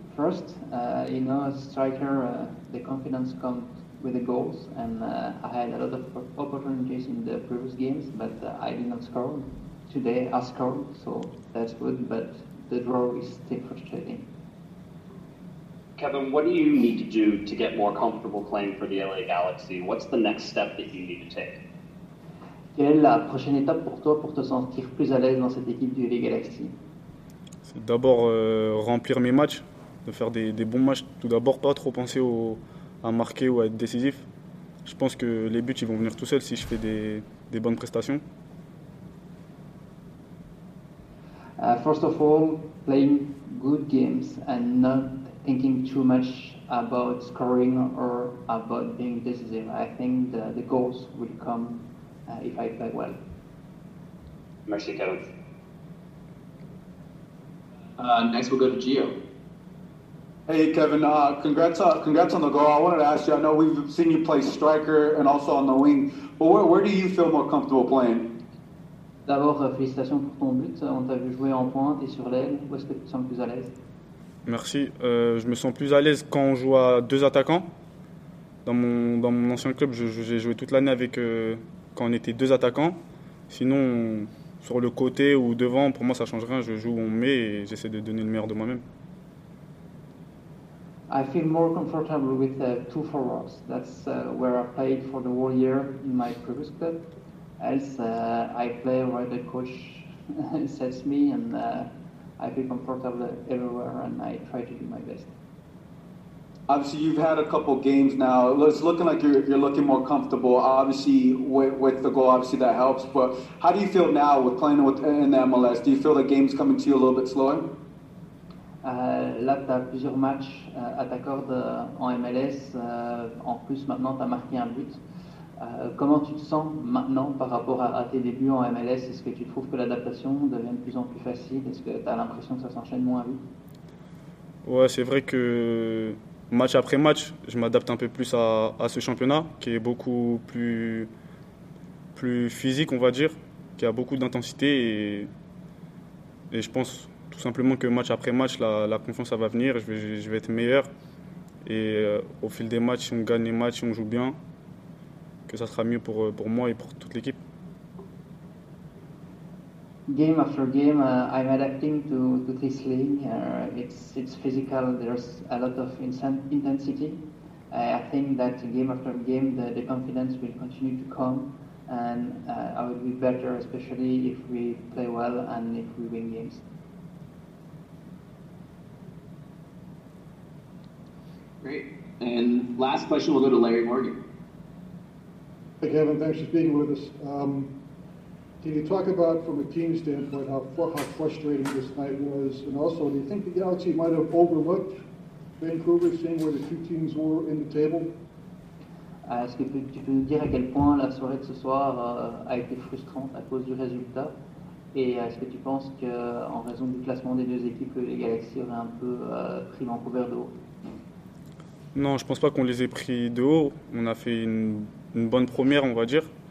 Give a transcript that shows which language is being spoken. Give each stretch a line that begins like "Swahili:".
English: First, as a striker, the confidence comes with the goals, and I had a lot of opportunities in the previous games, but I did not score. Today I scored, so that's good, but the draw is still frustrating. Can Kevin, what do you need to do to get more comfortable playing for the LA Galaxy? What's the next step that you need to take?
French: Quelle est la prochaine étape pour toi pour te sentir plus à l'aise dans cette équipe du LA Galaxy? C'est d'abord remplir mes matchs, de faire des bons matchs. Tout d'abord, pas trop penser à marquer ou à être décisif. Je pense que les buts ils vont venir tout seuls si je fais des bonnes prestations.
English: First of all, playing good games and not thinking too much about scoring or about being decisive. I think the goals will come if I play well.
French: Merci, Kevin.
English: Next, we'll go to Gio. Hey, Kevin. Congrats on the goal. I wanted to ask you. I know we've seen you play striker and also on the wing, but where do you feel more comfortable playing?
French: D'abord, félicitations pour ton but. On t'a vu jouer en pointe et sur l'aile. Où est-ce que tu te sens plus à l'aise? Merci. Je me sens plus à l'aise quand on joue à deux attaquants. Dans mon ancien club, j'ai joué toute l'année avec quand on était deux attaquants. Sinon, sur le côté ou devant, pour moi, ça ne change rien. Je joue où on met et j'essaie de donner le meilleur de moi-même.
English: I feel more comfortable with two forwards. That's where I played for the whole year in my previous club. Else, I play where the coach sets me, and I feel comfortable everywhere, and I try to do my best. Obviously, you've had a couple games now. It's looking like you're looking more comfortable. Obviously, with the goal, obviously that helps. But how do you feel now with playing in the MLS? Do you feel the game's coming to you a little bit slower?
French: Là, tu as plusieurs matchs à ta corde en MLS. En plus, maintenant, tu as marqué un but. Comment tu te sens maintenant par rapport à tes débuts en MLS? Est-ce que tu trouves que l'adaptation devient de plus en plus facile? Est-ce que tu as l'impression que ça s'enchaîne moins vite? Ouais, c'est vrai que match après match, je m'adapte un peu plus à ce championnat qui est beaucoup plus physique, on va dire, qui a beaucoup d'intensité. Et je pense tout simplement que match après match, la confiance ça va venir, je vais être meilleur. Et au fil des matchs, si on gagne les matchs, si on joue bien, que ça sera mieux pour moi et pour toute l'équipe.
English: Game after game, I'm adapting to this league. It's physical. There's a lot of intensity. I think that game after game, the confidence will continue to come, and I will be better, especially if we play well and if we win games. Great. And last question, we'll go to Larry Morgan. Hi, Kevin. Thanks for being with us. Can you talk about, from a team standpoint, how frustrating this night was? And also, do you think the Galaxy might have overlooked Vancouver, seeing where the two teams were in the table?
French: Est-ce que tu peux nous dire à quel point la soirée de ce soir a été frustrante à cause du résultat? Et est-ce que tu penses qu'en raison du classement des deux équipes, les Galaxy auraient un peu pris Vancouver de haut? Non, je pense pas qu'on les ait pris de haut. On a fait une bonne première, on va dire.